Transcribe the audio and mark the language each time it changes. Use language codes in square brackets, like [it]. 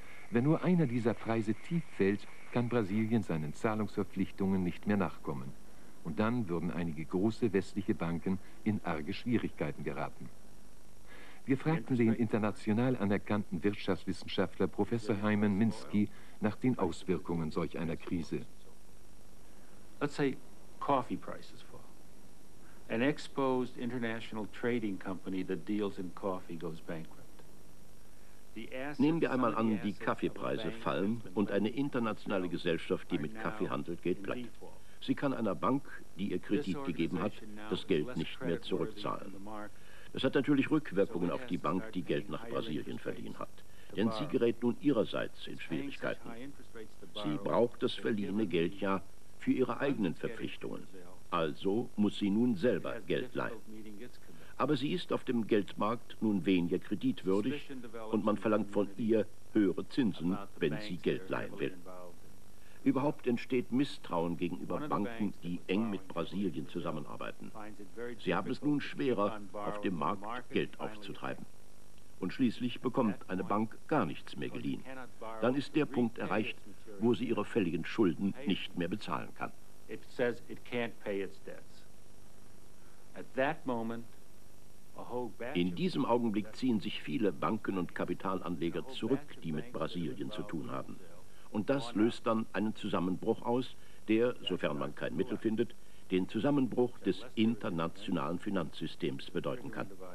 [de] Wenn nur einer dieser Preise tief fällt, kann Brasilien seinen Zahlungsverpflichtungen nicht mehr nachkommen. Und dann würden einige große westliche Banken in arge Schwierigkeiten geraten. Wir fragten den international anerkannten Wirtschaftswissenschaftler Professor Hyman Minsky nach den Auswirkungen solch einer Krise. [en] Let's say coffee prices fall. An exposed international trading company that deals in coffee goes bankrupt. [de] Nehmen wir einmal an, die Kaffeepreise fallen und eine internationale Gesellschaft, die mit Kaffee handelt, geht pleite. Sie kann einer Bank, die ihr Kredit gegeben hat, das Geld nicht mehr zurückzahlen. Es hat natürlich Rückwirkungen auf die Bank, die Geld nach Brasilien verliehen hat. Denn sie gerät nun ihrerseits in Schwierigkeiten. Sie braucht das verliehene Geld ja für ihre eigenen Verpflichtungen. Also muss sie nun selber Geld leihen. Aber sie ist auf dem Geldmarkt nun weniger kreditwürdig und man verlangt von ihr höhere Zinsen, wenn sie Geld leihen will. Überhaupt entsteht Misstrauen gegenüber Banken, die eng mit Brasilien zusammenarbeiten. Sie haben es nun schwerer, auf dem Markt Geld aufzutreiben. Und schließlich bekommt eine Bank gar nichts mehr geliehen. Dann ist der Punkt erreicht, wo sie ihre fälligen Schulden nicht mehr bezahlen kann. [en] It says it can't pay its debts. At that moment, a whole batch. [de] In diesem Augenblick ziehen sich viele Banken und Kapitalanleger zurück, die mit Brasilien zu tun haben. Und das löst dann einen Zusammenbruch aus, der, sofern man kein Mittel findet, den Zusammenbruch des internationalen Finanzsystems bedeuten kann.